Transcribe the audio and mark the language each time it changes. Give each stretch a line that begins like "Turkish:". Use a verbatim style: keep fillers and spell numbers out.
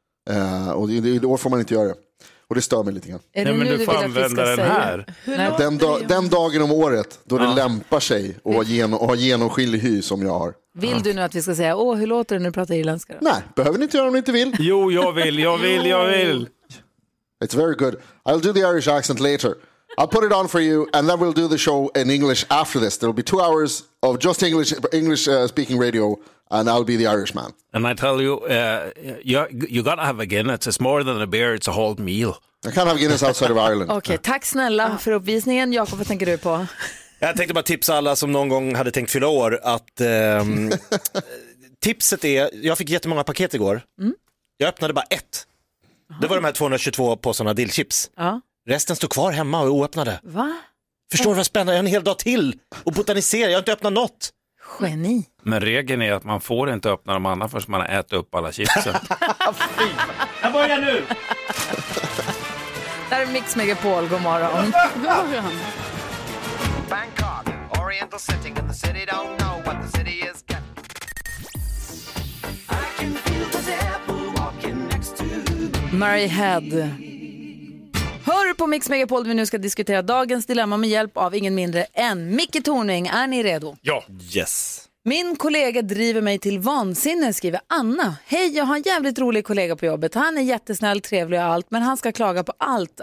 Swedish: Eh, och i, i år får man inte göra det. Och det stör mig lite grann. Är det Nej, men nu du får vill använda att vi den här. Den, da, den dagen om året då ja. det lämpar sig och har genomskinlig hy som jag har. Vill ja. du nu att vi ska säga, åh hur låter det när du pratar irländska då? Nej, behöver ni inte göra om ni inte vill. Jo, jag vill, jag vill, jag vill.
English: It's very good. I'll do the Irish accent later. I'll put it on for you, and then we'll do the show in English after this. There'll be two hours of just English, English uh, speaking radio, and I'll be the Irishman. And I tell you, uh, you you gotta have a Guinness. It's more than a beer; it's a whole meal. I can't have Guinness outside of Ireland.
Swedish: Okej, okay, tack snälla för uppvisningen. Jakob, vad tänker du på? Jag tänkte bara tipsa alla som någon gång hade tänkt fylla år att um, tipset är. Jag fick jättemånga paket igår. Mm. Jag öppnade bara ett. Det var de här tvåhundratjugotvå påsarna dillchips. Ja. Resten står kvar hemma och är oöppnade. Va? Förstår du vad spännande? Jag har en hel dag till och botanisera. Jag har inte öppnat något. Geni. Men regeln är att man får inte öppna de andra förrän man har ätit upp alla chipsen. Jag börjar nu! Där är Mix Megapol. God morgon. God morgon.
English: Bangkok, Oriental City, and the city don't know what the city is getting. I can feel the devil walking next to Murray Head.
Swedish: Hör på Mix Megapol där vi nu ska diskutera dagens dilemma med hjälp av ingen mindre än Micke Torning. Är ni redo? Ja, yes. Min kollega driver mig till vansinne, skriver Anna. Hej, jag har en jävligt rolig kollega på jobbet. Han är jättesnäll, trevlig och allt, men han ska klaga på allt.